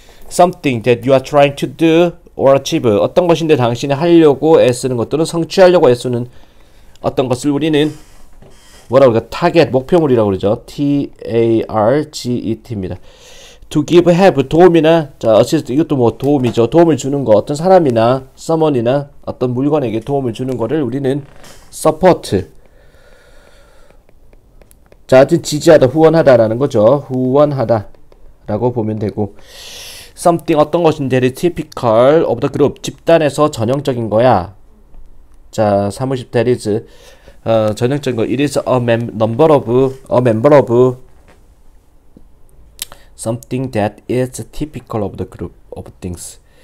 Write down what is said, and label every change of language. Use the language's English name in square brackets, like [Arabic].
[English] Something that you are trying to do or achieve. [Korean] 어떤 것인데 당신이 하려고 애쓰는 것 또는 성취하려고 애쓰는 어떤 것을 우리는 뭐라고 그러니까 타겟 목표물이라고 그러죠. target입니다. [English] to give help [Korean] 도움이나 자 어시스트 이것도 뭐 도움이죠. 도움을 주는 거 어떤 사람이나 someone이나 어떤 물건에게 도움을 주는 거를 우리는 support 자, 하여튼 지지하다, 후원하다라는 거죠. 후원하다라고 보면 되고. [English] Something [Korean] 어떤 것인데, [English] typical of the group. [Korean] 집단에서 전형적인 거야. 자, 사무실 [English] that is. [Korean] 전형적인 거. [English] It is a member of something that is typical of the group of things.